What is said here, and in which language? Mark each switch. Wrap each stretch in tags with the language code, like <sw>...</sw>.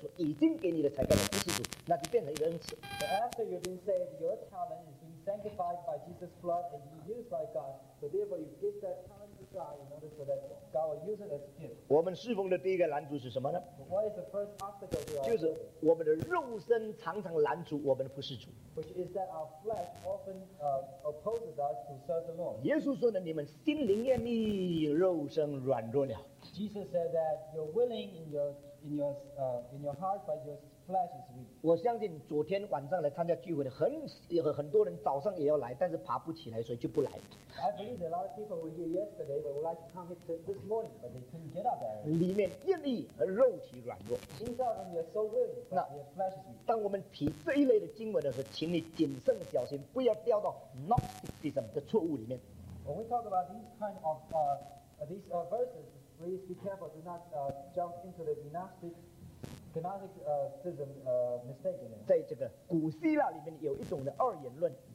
<zh>所以你的救了，你的恩，你的才干被主宝已经了圣灵成圣了以后呢，现在你就用这个神所已经给你的才干来服侍主，那就变成一个恩赐。</zh> <en>So after you've been saved, your talent has been sanctified by Jesus' blood and used by God. So therefore, you give that talent to God in order so that God will use it as a gift.</en> <zh>我们侍奉的第一个拦阻是什么呢？</zh> <en>What is the first obstacle to our?</en> <zh>就是我们的肉身常常拦阻。我们的服侍主，</zh> <en>which is that our flesh often opposes us to serve the Lord.</en> <zh>耶稣说呢，你们心灵艳密，肉身软弱了。</zh> <en>Jesus said that you're willing in your heart, but your flesh is weak.</en> <zh>我相信昨天晚上来参加聚会的很多人早上也要来，但是爬不起来，所以就不来。</zh> <en>I believe a lot of people were here yesterday, but would like to come here this morning, but they couldn't get up there.</en> <zh>里面愿意，肉体软弱。</zh> <en>Inside, you're so willing, but your flesh is weak.</en> <zh>当我们提这一类的经文的时候，请你谨慎小心，不要掉到 Gnosticism 的错误里面。</zh> <en>When we talk about these kind of verses, please be careful, do not jump into the Gnosticism mistake.</en> <zh>在这个古希腊里面有一种的二元论。</zh>